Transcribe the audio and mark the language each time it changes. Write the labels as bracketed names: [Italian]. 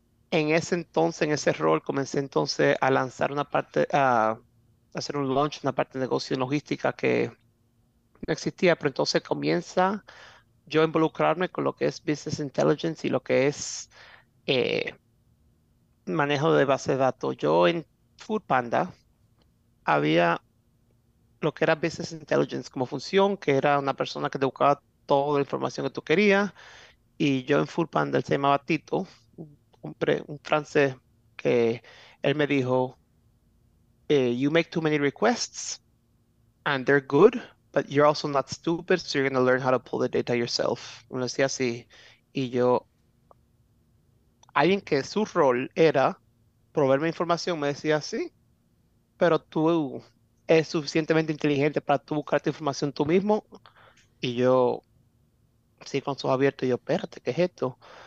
[Spanish] En ese entonces, en ese rol, comencé entonces a lanzar una parte, a hacer un launch, una parte de negocio en logística que no existía, pero entonces comienza yo a involucrarme con lo que es business intelligence y lo que es manejo de base de datos. Yo en Foodpanda había lo que era business intelligence como función, que era una persona que te buscaba toda la información que tú querías, y yo en Foodpanda, él se llamaba Tito. Un francés que él me dijo, [English] you make too many requests and they're good, but you're also not stupid, so you're going to learn how to pull the data yourself. [Spanish] Me decía así. Y yo, alguien que su rol era proveerme información, me decía así, pero tú eres suficientemente inteligente para tú buscar esta información tú mismo. Y yo, sí, con ojos abiertos, yo, espérate, ¿qué es esto?